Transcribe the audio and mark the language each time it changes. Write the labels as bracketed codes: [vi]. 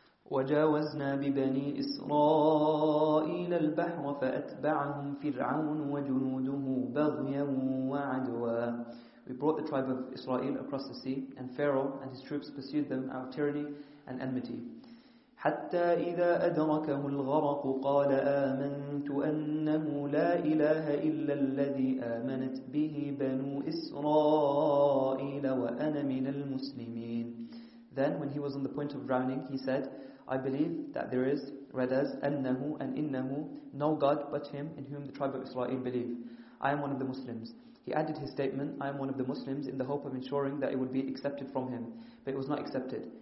[ar] وَجَاوَزْنَا بِبَنِي إِسْرَائِيلَ الْبَحْرَ فَأَتْبَعَهُمْ فِرْعَوْنُ وَجُنُودُهُ بَغْيًا وَعَدْوًا. [en] We brought the tribe of Israel across the sea, and Pharaoh and his troops pursued them out of tyranny and enmity. [ar] حتى إذا أدركه الغرق قال آمنت أنه لا إله إلا الذي آمنت به بنو إسرائيل وأنا من المسلمين. [en] Then when he was on the point of drowning, he said, I believe that there is, read as, أنه and إنه, no God but him in whom the tribe of Israel believe. I am one of the Muslims. He added his statement, I am one of the Muslims, in the hope of ensuring that it would be accepted from him. But it was not accepted.